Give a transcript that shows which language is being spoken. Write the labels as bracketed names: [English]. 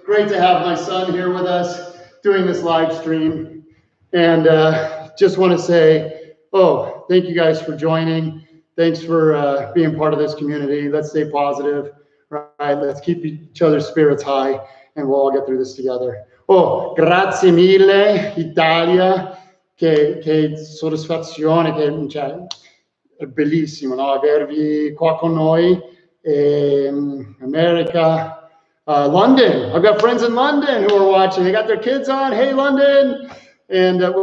[English] Great to have my son here with us doing this live stream. And just want to say, thank you guys for joining. Thanks for being part of this community. Let's stay positive, right? Let's keep each other's spirits high, and we'll all get through this together. [Italian] Oh, grazie mille, Italia, che soddisfazione, che cioè, è bellissimo, no? Avervi qua con noi, [English] America, London. I've got friends in London who are watching. They got their kids on. Hey, London. And,